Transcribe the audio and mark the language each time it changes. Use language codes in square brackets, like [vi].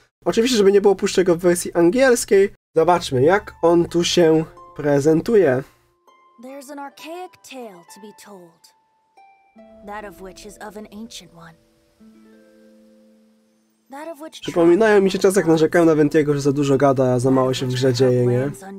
[pl] Oczywiście, żeby nie było, puszczę go w wersji angielskiej. Zobaczmy, jak on tu się prezentuje. [en] There's an archaic tale to be told. That of which is of an ancient one. That of which... [pl] Przypominają mi się czas, jak narzekałem na Ventiego, że za dużo gada, a za mało się w grze dzieje, nie?